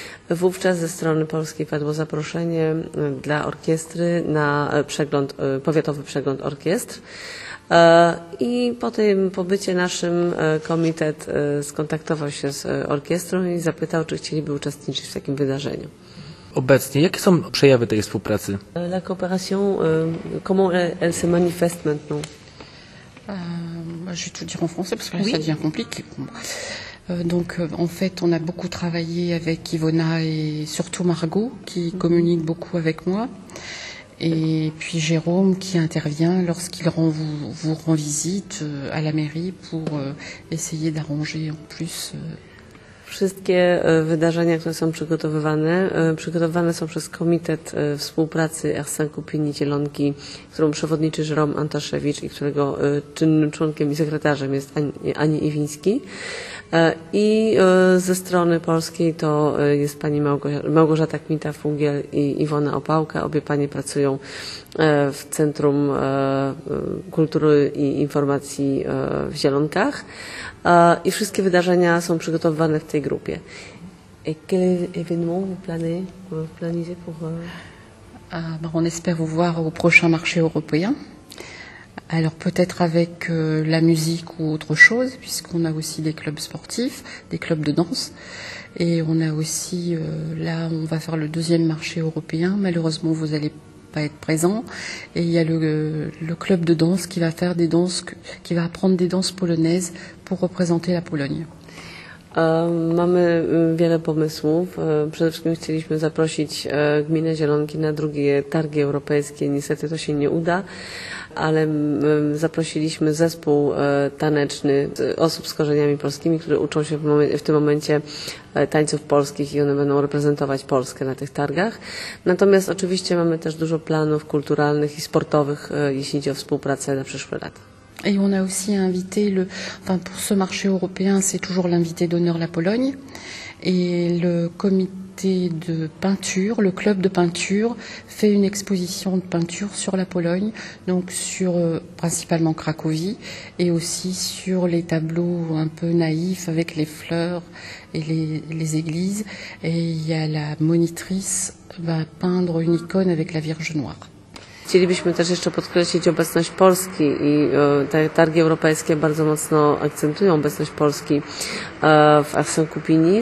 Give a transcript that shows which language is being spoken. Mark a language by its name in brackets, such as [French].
[Polish] Wówczas ze strony Polski padło zaproszenie dla orkiestry na przegląd, powiatowy przegląd orkiestr. I po tym pobycie naszym komitet skontaktował się z orkiestrą i zapytał, czy chcieliby uczestniczyć w takim wydarzeniu. Obecnie, jakie są przejawy tej współpracy? [French] La coopération, comment elle se manifeste maintenant? Je vais tout dire en français parce que là, ça devient compliqué pour moi. Donc, en fait, on a beaucoup travaillé avec Ivona et surtout Margot, qui communique beaucoup avec moi. Et puis Jérôme, qui intervient lorsqu'il vous rend visite à la mairie pour essayer d'arranger en plus. [Polish] Wszystkie wydarzenia, które są przygotowywane są przez Komitet Współpracy Saint-Coupigny Zielonki, którą przewodniczy Jérôme Antaszewicz i którego czynnym członkiem i sekretarzem jest Ani Iwiński. I ze strony polskiej to jest pani Małgorzata Kmita-Fugiel i Iwona Opałka. Obie panie pracują w Centrum Kultury i Informacji w Zielonkach. I wszystkie wydarzenia są przygotowywane w tej grupie. [French] Et quel événement vous planisez pour... On espère vous voir au prochain marché européen. Alors peut-être avec la musique ou autre chose, puisqu'on a aussi des clubs sportifs, des clubs de danse. Et on a aussi, là on va faire le deuxième marché européen, malheureusement vous allez pas être présent. Et il y a le club de danse qui va faire des danses, qui va apprendre des danses polonaises pour représenter la Pologne. [Polish] Mamy wiele pomysłów. Przede wszystkim chcieliśmy zaprosić gminę Zielonki na drugie targi europejskie. Niestety to się nie uda, ale zaprosiliśmy zespół taneczny osób z korzeniami polskimi, które uczą się w tym momencie tańców polskich i one będą reprezentować Polskę na tych targach. Natomiast oczywiście mamy też dużo planów kulturalnych i sportowych, jeśli chodzi o współpracę na przyszły lat. [French] Et on a aussi invité, pour ce marché européen, c'est toujours l'invité d'honneur la Pologne, et le comité de peinture, le club de peinture, fait une exposition de peinture sur la Pologne, donc sur principalement Cracovie, et aussi sur les tableaux un peu naïfs avec les fleurs et les églises, et il y a la monitrice qui va peindre une icône avec la Vierge Noire. [Polish] Chcielibyśmy też jeszcze podkreślić obecność Polski i te targi europejskie bardzo mocno akcentują obecność Polski w Saint-Coupigny.